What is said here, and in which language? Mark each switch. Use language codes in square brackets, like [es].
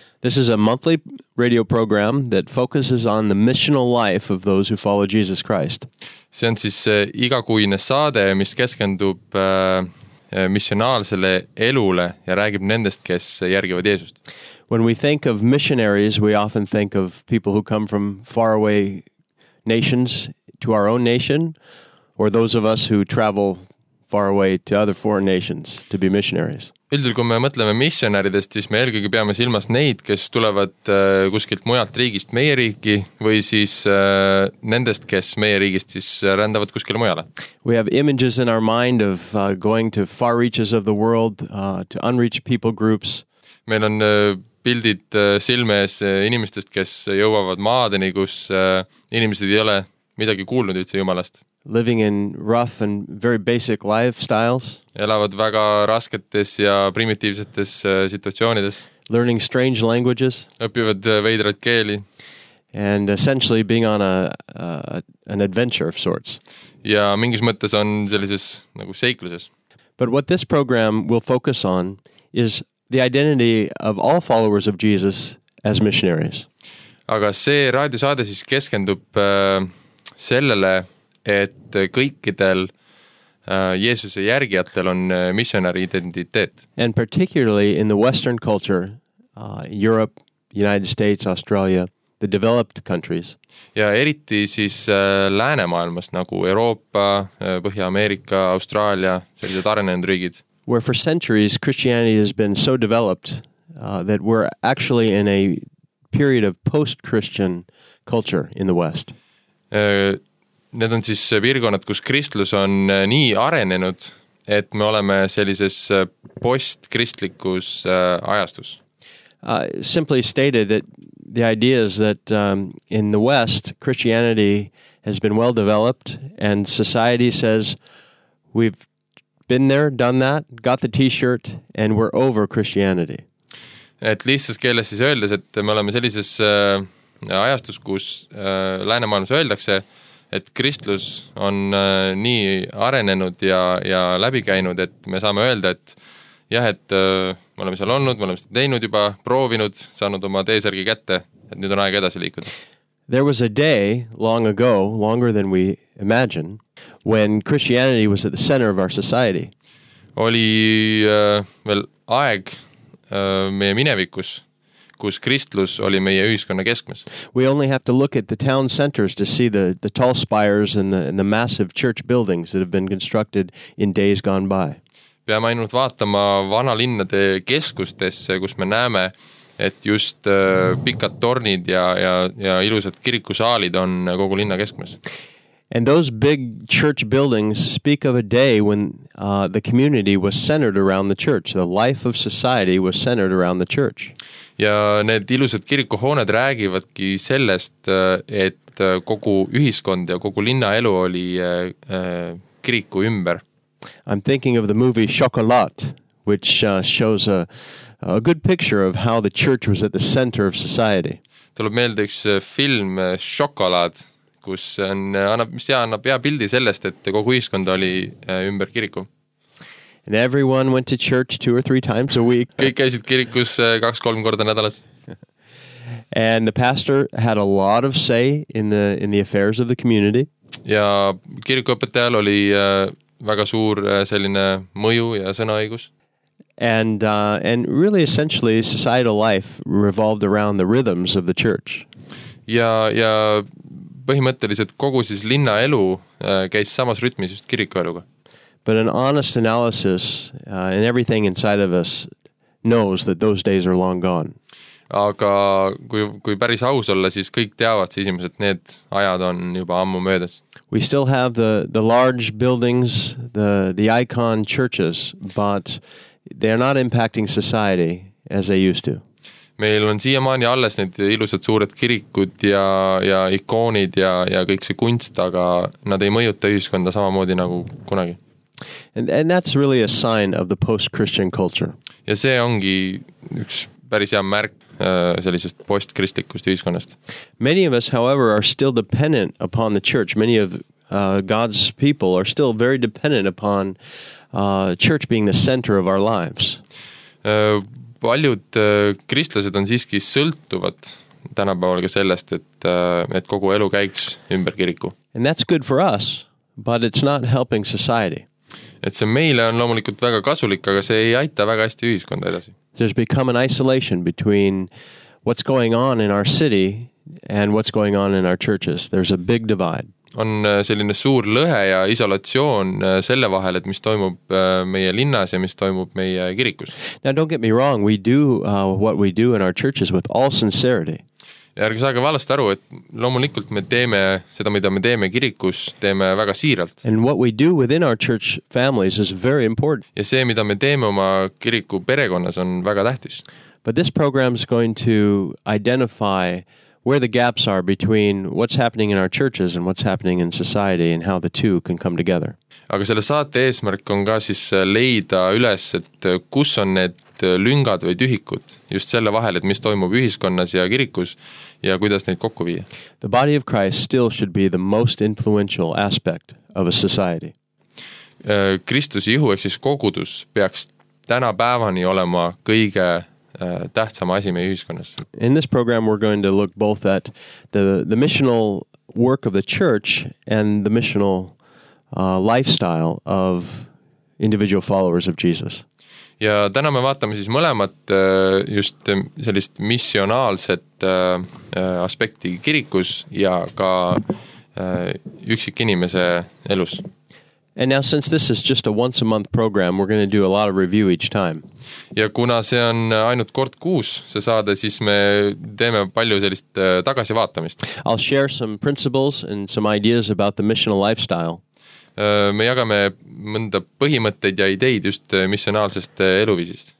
[en] This is a monthly radio program that focuses on the missional life of those who follow Jesus Christ. [et] See on siis igakuine saade, mis keskendub missionaalsele elule ja räägib nendest, kes järgivad Jeesust. [en] When we think of missionaries, we often think of people who come from faraway nations to our own nation, or those of us who travel far away to other foreign nations to be missionaries. [et] Üldiselt kui me mõtleme missionäridest, siis me eelkõige peame silmas neid, kes tulevad kuskilt mujalt riigist meie riiki või siis nendest, kes meie riigist siis rändavad kuskile mujale. [en] We have images in our mind of going to far reaches of the world, to unreached people groups. [et] Meil on pildid silmes inimestest, kes jõuavad maadeni, kus inimesed ei ole midagi kuulnud üldse Jumalast. [en] Living in rough and very basic lifestyles. [et] Elavad väga rasketes ja primitiivsetes situatsioonides. [en] Learning strange languages. [et] Õppivad veidrat keeli. [en] And essentially being on an adventure of sorts. [et] Ja mingis mõttes on sellises nagu seikluses. [en] But what this program will focus on is the identity of all followers of Jesus as missionaries. [et] Aga see raadiosaade siis keskendub sellele, et kõikidel Jeesuse järgijatel on missionäri identiteet. [en] And particularly in the Western culture, Europe, United States, Australia, the developed countries. [et] Ja eriti siis läänemaailmas nagu Euroopa, Põhja-Ameerika, Austraalia, sellised arenenud riigid. [en] Where for centuries Christianity has been so developed that we're actually in a period of post-Christian culture in the West. [et] Need on siis piirkonnad, kus kristlus on nii arenenud, et me oleme sellises post-kristlikus ajastus. [en] Simply stated that the idea is that in the West, Christianity has been well developed and society says we've been there, done that, got the t-shirt and we're over Christianity. [et] Et lihtsas keeles siis öeldes, et me oleme sellises ajastus, kus läänemaailmas öeldakse, et kristlus on nii arenenud ja läbi käinud, et me saame öelda, et jah, et me oleme seal olnud, me oleme seda teinud juba, proovinud, saanud oma teesärgi kätte, et nüüd on aeg edasi liikuda. [en] There was a day long ago, longer than we imagine, when Christianity was at the center of our society. [et] Oli veel aeg meie minevikus, kus kristlus oli meie ühiskonna keskmes. [en] We only have to look at the town centers to see the tall spires and the massive church buildings that have been constructed in days gone by. [et] Peame ainult vaatama vanalinnade keskustesse, kus me näeme, et just pikad tornid ja ilusad kirikusaalid on kogu linna keskmes. [en] And those big church buildings speak of a day when the community was centered around the church. The life of society was centered around the church. [et] Ja need ilused kirikuhooned räägivadki sellest, et kogu ühiskond ja kogu linna elu oli kiriku ümber. [en] I'm thinking of the movie Chocolat, which shows a good picture of how the church was at the center of society. [et] Tuleb meelde üks film Chocolat, kus on annab hea pildi sellest, et kogu ühiskond oli ümber kiriku. [en] And everyone went to church two or three times a week. [et] Kõik käisid kirikus 2-3 korda nädalas. [en] And the pastor had a lot of say in the affairs of the community. [et] Ja kirikuõpetajal oli väga suur selline mõju ja sõnaõigus. [en] And really essentially societal life revolved around the rhythms of the church. [et] Ja põhimõtteliselt kogu siis linna elu käis samas rütmis just kirikueluga. [en] But an honest analysis and everything inside of us knows that those days are long gone. [et] Aga kui päris aus olla, siis kõik teavad siis inimesed, need ajad on juba ammu möödas. [en] We still have the large buildings, the icon churches, but they are not impacting society as they used to. [et] meil on siiamaani alles need ilusad suured kirikud ja ikoonid ja kõik see kunst, aga nad ei mõjuta ühiskonda samamoodi nagu kunagi. [en] And that's really a sign of the post-Christian culture. [et] Ja see ongi üks päris hea märk sellisest post-kristlikust ühiskonnast. [en] Many of us, however, are still dependent upon the church. Many of God's people are still very dependent upon church being the center of our lives. [et] Paljud kristlased on siiski sõltuvad tänapäeval ka sellest, et kogu elu käiks ümber kiriku. [en] And that's good for us, but it's not helping society. [et] Et see meile on loomulikult väga kasulik, aga see ei aita väga hästi ühiskonda edasi. [en] There's become an isolation between what's going on in our city and what's going on in our churches. There's a big divide. [et] On selline suur lõhe ja isolatsioon selle vahel, et mis toimub meie linnas ja mis toimub meie kirikus. [en] Now don't get me wrong, we do what we do in our churches with all sincerity. [et] Ja ärge saage valest aru, et loomulikult me teeme seda, mida me teeme kirikus, teeme väga siiralt. [en] And what we do within our church families is very important. [et] Ja see, mida me teeme oma kiriku perekonnas, on väga tähtis. [en] But this program is going to identify where the gaps are between what's happening in our churches and what's happening in society and how the two can come together. [et] Aga selle saate eesmärk on ka siis leida üles, et kus on need lüngad või tühikud just selle vahel, et mis toimub ühiskonnas ja kirikus ja kuidas neid kokku viia. [en] The body of Christ still should be the most influential aspect of a society. [et] Kristus ihu, ehk siis kogudus, peaks täna päevani olema kõige tähtsama asi meie ühiskonnas. [en] In this program we're going to look both at the missional work of the church and the missional lifestyle of individual followers of Jesus. [et] Ja täna me vaatame siis mõlemat just sellist missionaalset aspekti kirikus ja ka üksik inimese elus. [en] And now since this is just a once a month program, we're going to do a lot of review each time. [et] Ja kuna see on ainult kord kuus see saade, siis me teeme palju sellist tagasi vaatamist. [en] I'll share some principles and some ideas about the missional lifestyle. [et] Me jagame mõnda põhimõtteid ja ideid just missionaalsest eluvisist.